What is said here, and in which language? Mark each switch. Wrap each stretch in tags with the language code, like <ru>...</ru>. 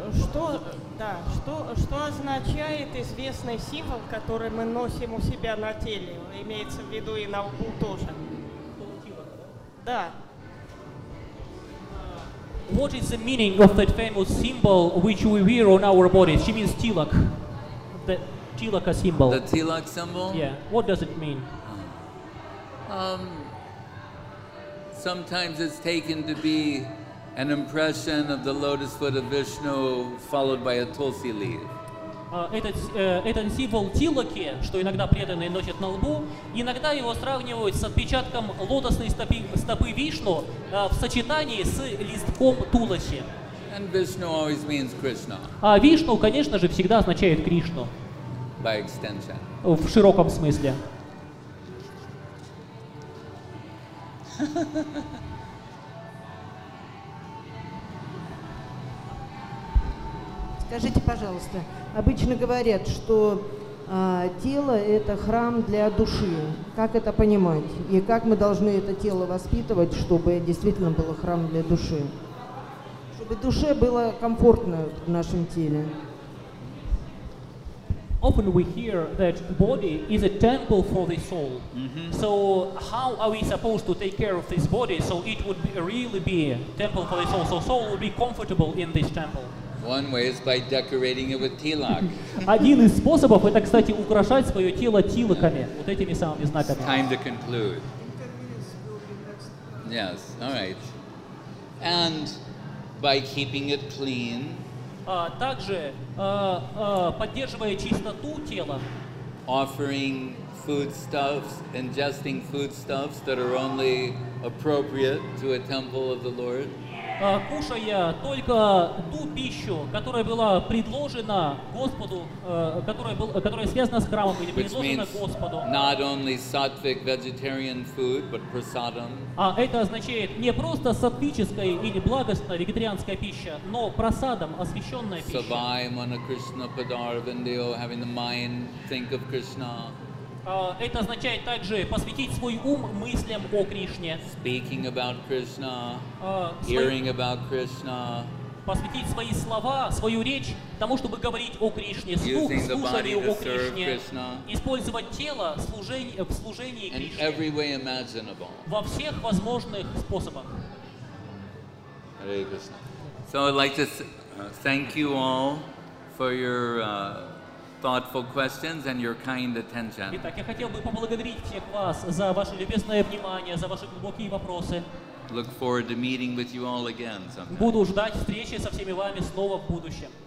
<ru>Что означает известный символ, который мы носим у себя на теле? Имеется в виду и на лбу тоже. Да.</ru> <en>What is the meaning of that famous symbol which we wear on our bodies? She means tilak. The tilaka symbol. The tilak symbol? Yeah. What does it mean? Sometimes it's taken to be an impression of the lotus foot of Vishnu followed by a tulsi leaf.</en> <ru>Этот символ тилаки, что иногда преданные носят на лбу, иногда его сравнивают с отпечатком лотосной стопы Вишну в сочетании с листком туласи.</ru> <en>And Vishnu always means Krishna.</en> <ru>А Вишну, конечно же, всегда означает Кришну.</ru> <en>By extension.</en> <ru>В широком смысле. Скажите, пожалуйста, обычно говорят, что тело – это храм для души. Как это понимать? И как мы должны это тело воспитывать, чтобы действительно было храм для души? Чтобы душе было комфортно в нашем теле.</ru> <en>Often we hear that body is a temple for the soul. Mm-hmm. So how are we supposed to take care of this body so it would be really be a temple for the soul, so soul would be comfortable in this temple? One way is by decorating it with tilak.</en> <ru>Один из способов это, кстати, украшать своё тело тилаками, вот этими самыми знаками.</ru> <en>Time to conclude. Yes, all right. And by keeping it clean.</en> <ru>Также поддерживая чистоту тела.</ru> <en>Offering foodstuffs, ingesting foodstuffs that are only appropriate to a temple of the Lord.</en> <ru>Кушая только ту пищу, которая была предложена Господу, которая связана с храмом или предложена Господу.</ru> <en>Not only sattvic vegetarian food, but prasadam.</en> <ru>А это означает не просто сатвическая или благостная вегетарианская пища, но прасадам, освященная пища.</ru> <sa>Savai mana Krishna padarvindiyo,</sa> <en>having the mind think of Krishna.</en> <ru>Это означает также посвятить свой ум мыслям о Кришне.</ru> <en>Speaking about Krishna, hearing about Krishna.</en> <ru>Посвятить свои слова, свою речь тому, чтобы говорить о Кришне, слушать о Кришне.</ru> <en>Krishna,</en> <ru>использовать тело в служении</ru> <en>in</en> <ru>Кришне.</ru> <en>Every way imaginable.</en> <ru>Во всех возможных способах.</ru> <en>Hare Krishna. So I'd like to thank you all for your thoughtful questions and your kind attention.</en> <ru>Итак, я хотел бы поблагодарить всех вас за ваше любезное внимание, за ваши глубокие вопросы.</ru> <en>Look forward to meeting with you all again sometime.</en> <ru>Буду ждать встречи со всеми вами снова в будущем.</ru>